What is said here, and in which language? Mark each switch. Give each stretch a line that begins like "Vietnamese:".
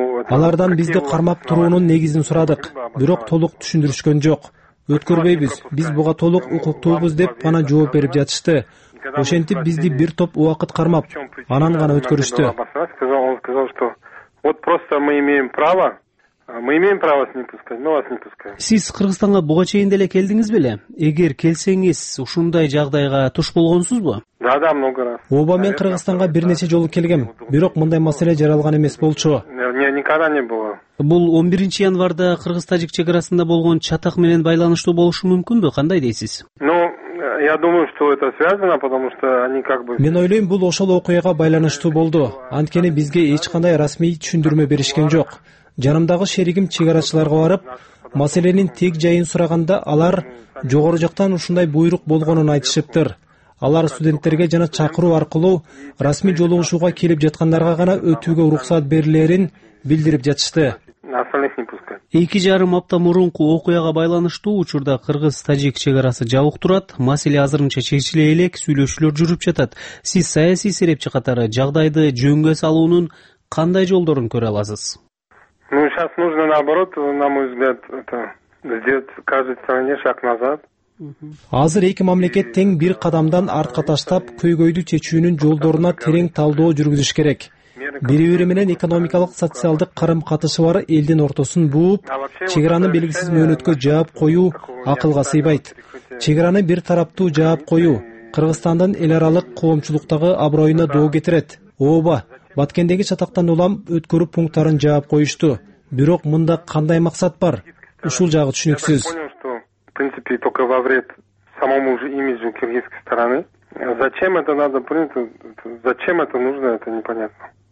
Kyrgyz: Алардан бизди кармап туруунун негизин сурадык, бирок толук түшүндүрүшкөн жок. Өткөрбөйбүз, биз буга толук укуктуубуз деп гана жооп берип жатышты. Ошентип бизди бир топ убакыт кармап, анан гана өткөрүштү.
Russian: Он сказал, что вот просто мы имеем право с ним пускать, но вас не пускаем.
Kyrgyz: Сиз Кыргызстанга буга чейин деле келдиңиз беле? Эгер келсеңиз, ушундай жагдайга туш болгонсузбу?
Russian: Да, много раз.
Kyrgyz: Оба мен Кыргызстанга бир нече жолу келгем, бирок мындай маселе жаралган эмес болчу.
Russian: Никогда не было.
Kyrgyz: Бул 11 январда Кыргыз-Тажик чек арасында болгон чатак менен байланыштуу болушу мүмкүнбү? Кандай дейсиз?
Russian: Я думаю, что это связано, потому что они как бы.
Kyrgyz: Мен ойлойм, бул ошол окуяга байланыштуу болду. Анткени бизге эч кандай расмий түшүндүрмө беришкен жок. Жанымдагы шеригим чек арачыларга барып, маселенин тек жайын сураганда, алар жогору жактан ушундай буйрук болгонун айтышыптыр. Алар студенттерге жана чакыруу аркылуу расмий жолугушууга келип жаткандарга гана өтүүгө уруксат берилерин билдирип жатышты. 2.5 апта мурунку окуяга байланыштуу учурда кыргыз-тажик чек арасы жабык турат. Маселе азырынча чечиле элек сүйлөшүүлөр жүрүп жатат. Сиз саясий серепчи катары жагдайды жөнгө салуунун кандай жолдорун көрө аласыз?
Russian: Ну, сейчас нужно наоборот, на мой взгляд, это сделать каждой стороне шаг назад.
Kyrgyz: Азыр эки мамлекет тең бир кадамдан артка таштап, көйгөйдү чечүүнүн жолдоруна терең талдоо жүргүзүш керек. Бири бири менен экономикалык социалдык карым катышы бар элдин ортосун бууп, чек араны белгисиз мөөнөткө жаап коюу акылга сыйбайт. Чек араны бир тараптуу жаап коюу Кыргызстандын эл аралык коомчулуктагы аброюна доо кетирет. Ооба, Баткендеги чатактан улам өткөрүү пункттарын жаап коюшту. Бирок мында кандай максат бар? Ушул жагы түшүнүксүз.
Russian: В принципе, только во вред самому же имиджу киргизской стороны. Зачем это надо, зачем это нужно, это непонятно.